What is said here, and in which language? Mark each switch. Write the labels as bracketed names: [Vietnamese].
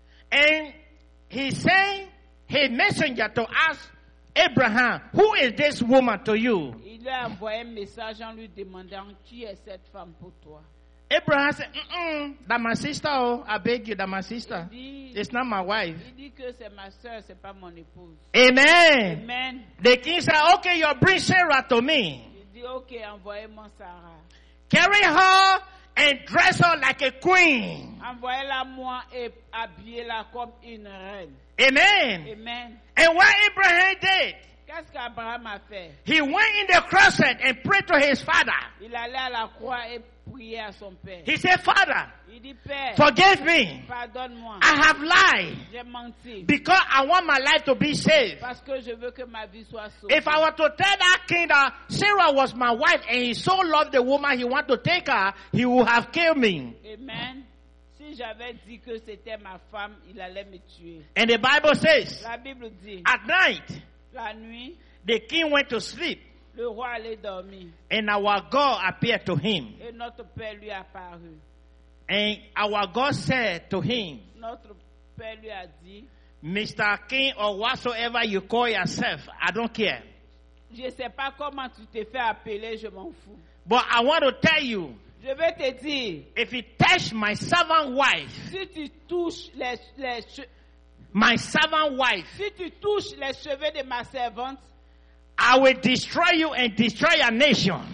[English] And he sent his messenger to ask Abraham, who is this woman to you? [French] Il lui a envoyé un message en lui demandant qui est cette femme pour toi. [English] Abraham said, that my sister, oh, I beg you, that my sister, [French] dit, [English] it's not my wife. [French] Il dit que c'est ma soeur, c'est pas mon épouse. Amen. Amen. [English] The king said, okay, you bring Sarah to me. [French] Il dit, okay, envoyez-moi Sarah. [English] Carry her and dress her like a queen. [French] Envoyez-la moi et habillez-la comme une reine. Amen. Amen. [English] And what Abraham did? [French] Qu'est-ce qu'Abraham a fait? [English] He went in the closet and prayed to his father. [French] Il allait à la croix et à son père. [English] He said, Father, [French] il dit, père, [English] forgive me. [French] Pardonne-moi. [English] I have lied. [French] J'ai menti. [English] Because I want my life to be saved. [French] Parce que je veux que ma vie soit sauve. [English] If I were to tell that king that Sarah was my wife and he so loved the woman he wanted to take her, he would have killed me. Amen. [French] Si j'avais dit que c'était ma femme, il allait me tuer. [English] And the Bible says, [French] la Bible dit, [English] at night, [French] la nuit, [English] the king went to sleep. [French] Le roi allait dormir. [English] And our God appeared to him. [French] Et notre père lui a paru. [English] And our God said to him, [French] notre père lui a dit, [English] Mr. King, or whatsoever you call yourself, I don't care. [French] Je sais pas comment tu t'es fait appeler, je m'en fous. [English] But I want to tell you, [French] je vais te dire, [English] if you touch my servant wife, [French] si tu touches les [English] my servant wife, [French] si tu touches les cheveux de ma servante, [English] I will destroy you and destroy your nation.